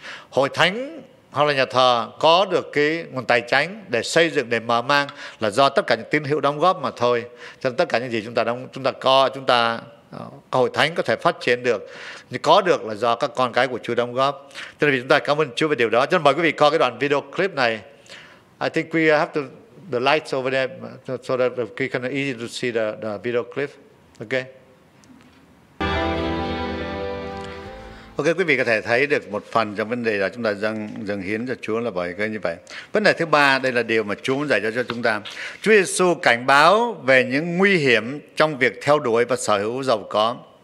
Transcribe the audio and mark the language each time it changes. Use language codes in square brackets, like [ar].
[vi] Hội thánh hoặc là nhà thờ có được cái nguồn tài chính để xây dựng, để mở mang là do tất cả những tín hữu đóng góp mà thôi. Cho nên tất cả những gì chúng ta hội thánh có thể phát triển được, có được là do các con cái của Chúa đóng góp. Cho nên vì chúng ta cảm ơn Chúa về điều đó. Cho nên mời quý vị coi cái đoạn video clip này. [en] I think we have to... the lights over there, so that it's kind of easy to see the video clip. [vi] Okay, quý vị có thể thấy được một phần trong vấn đề là chúng ta dâng hiến cho Chúa là bởi cái như vậy. Vấn đề thứ ba, đây là điều mà Chúa muốn dạy cho chúng ta. Chúa Giêsu cảnh báo về những nguy hiểm trong việc theo đuổi và sở hữu giàu có.